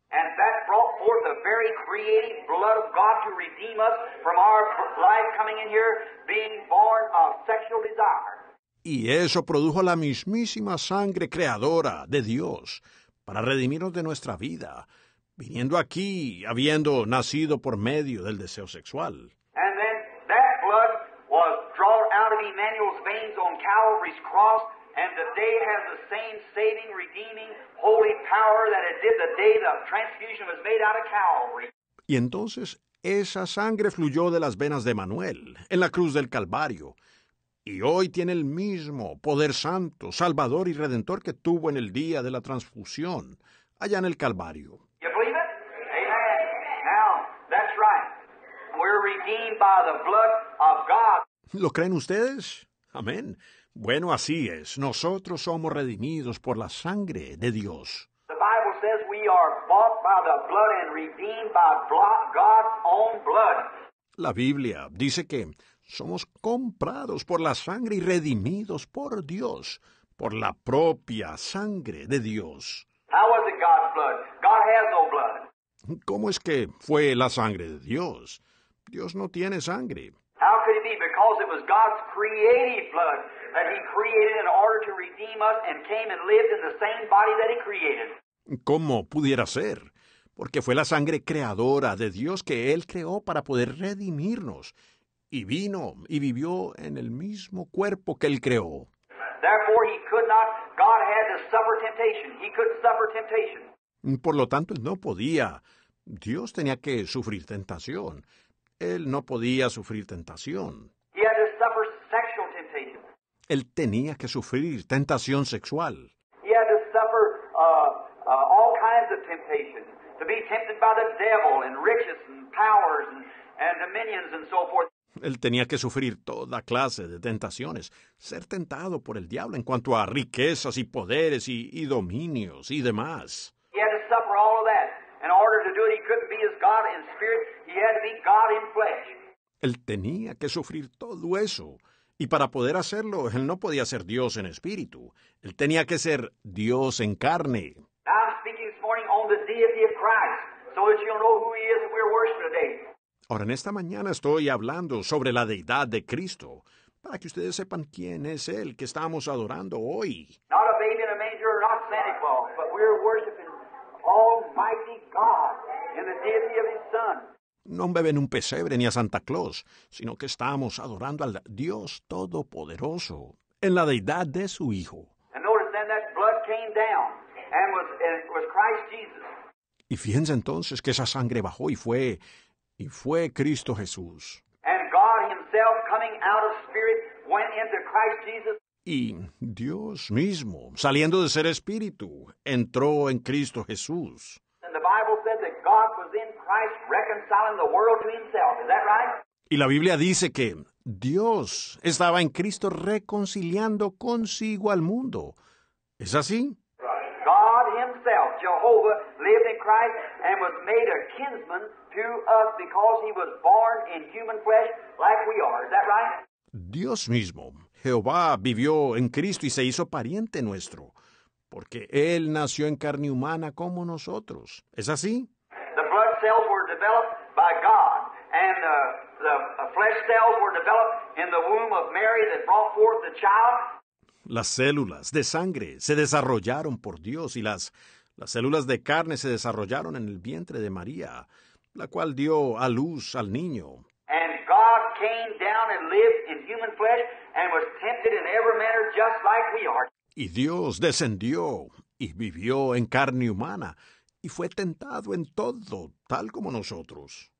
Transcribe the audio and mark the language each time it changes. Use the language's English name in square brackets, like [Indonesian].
[English] And that brought forth the very creative blood of God to redeem us from our life coming in here, being born of sexual desire. [Spanish] Y eso produjo la mismísima sangre creadora de Dios para redimirnos de nuestra vida, viniendo aquí, habiendo nacido por medio del deseo sexual. [English] And then that blood was drawn out of Emmanuel's veins on Calvary's cross, and the day has the same saving, redeeming, holy power that it did the day the transfusion was made out of Calvary. [Spanish] Y entonces esa sangre fluyó de las venas de Manuel en la cruz del Calvario, y hoy tiene el mismo poder santo, salvador y redentor que tuvo en el día de la transfusión, allá en el Calvario. [English] You believe it? Amen. Now, that's right. We're redeemed by the blood of God. [Spanish] ¿Lo creen ustedes? Amén. Bueno, así es. Nosotros somos redimidos por la sangre de Dios. [English] The Bible says we are bought by the blood and redeemed by God's own blood. [Spanish] La Biblia dice que somos comprados por la sangre y redimidos por Dios, por la propia sangre de Dios. [English] How is it God's blood? God has no blood. [Spanish] ¿Cómo es que fue la sangre de Dios? Dios no tiene sangre. [English] How could it be? Because it was God's creative blood that he created in order to redeem us and came and lived in the same body that he created. [Spanish] ¿Cómo pudiera ser? Porque fue la sangre creadora de Dios que él creó para poder redimirnos. Y vino y vivió en el mismo cuerpo que él creó. [English] Therefore, he could not, God had to suffer temptation. He could suffer temptation. [Spanish] Por lo tanto, él no podía. Dios tenía que sufrir tentación. Él no podía sufrir tentación. [English] He had to suffer sexual temptation. [Spanish] Él tenía que sufrir tentación sexual. [English] He had to suffer all kinds of temptation. To be tempted by the devil and riches and powers and dominions and so forth. [Spanish] Él tenía que sufrir toda clase de tentaciones, ser tentado por el diablo en cuanto a riquezas y poderes y dominios y demás. [English] He had to suffer all of that. In order to do it, he couldn't be as God in spirit. He had to be God in flesh. [Spanish] Él tenía que sufrir todo eso. Y para poder hacerlo, él no podía ser Dios en espíritu. Él tenía que ser Dios en carne. [English] I'm speaking this morning on the deity of Christ, so that you'll know who he is and we're worshiping today. [Spanish] Ahora, en esta mañana estoy hablando sobre la Deidad de Cristo, para que ustedes sepan quién es Él que estamos adorando hoy. [English] Not a baby in a manger, not Santa Claus, but we're worshiping Almighty God in the deity of His Son. [Spanish] No un bebé en un pesebre ni a Santa Claus, sino que estamos adorando al Dios Todopoderoso en la Deidad de su Hijo. [English] And notice then that blood came down, and it was Christ Jesus. [Spanish] Y fíjense entonces que esa sangre bajó y fue... Y fue Cristo Jesús. [English] And God himself coming out of spirit went into Christ Jesus. [Spanish] Y Dios mismo, saliendo de ser espíritu, entró en Cristo Jesús. [English] And the Bible said that God was in Christ reconciling the world to himself. Is that right? [Spanish] Y la Biblia dice que Dios estaba en Cristo reconciliando consigo al mundo. ¿Es así? [English] God himself, Jehovah, lived in Christ and was made a kinsman to us because he was born in human flesh like we are. Is that right? [Spanish] Dios mismo, Jehová, vivió en Cristo y se hizo pariente nuestro, porque él nació en carne humana como nosotros. ¿Es así? [English] The blood cells were developed by God, and the flesh cells were developed in the womb of Mary that brought forth the child. [Spanish] Las células de sangre se desarrollaron por Dios y las células de carne se desarrollaron en el vientre de María, la cual dio a luz al niño. [English] And God came down and lived in human flesh and was tempted in every manner just like we are. [Spanish] Y Dios descendió y vivió en carne humana y fue tentado en todo, tal como nosotros.